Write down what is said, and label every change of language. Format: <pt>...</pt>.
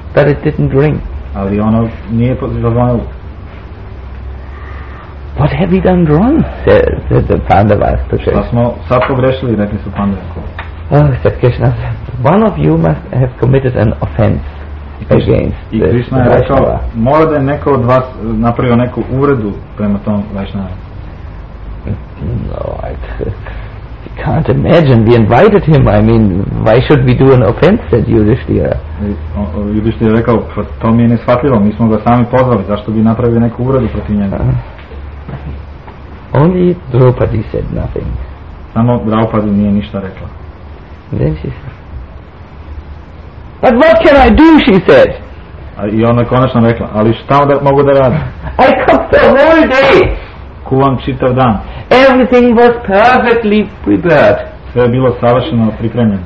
<en>But it didn't ring.</en> <sr>Ali ono nije zazvonilo.</sr> <en>What have we done wrong? Said the Pandavas to Krishna.</en> <sr>Smo sad pogrešili, rekli su Pandavi.</sr> <en>Oh, said Krishna, one of you must have committed an offense against the</en> <sr>Krishna je rekao, mora da je neko od vas napravio neku uvredu prema tom Vaishnava.</sr> <en>No, I can't imagine. We invited him. I mean, why should we do an offense? Said Yudhishthira.</en> <sr>Yudhishthira je rekao, to mi je neshvatljivo. Mi smo ga sami pozvali. Zašto bi napravio neku uvredu protiv njega?</sr> <en>Only Draupadi said nothing.</en> <sr>Samo Draupadi nije ništa rekla.</sr> <en>Then she said, but what can I do? She said.</en> <sr>I ona konačno rekla, ali šta da mogu da radim?</sr> <en>I cook the whole day.</en> <sr>Kuvam čitav dan.</sr> <en>Everything was perfectly prepared.</en> <sr>Sve je bilo savršeno pripremljeno.</sr>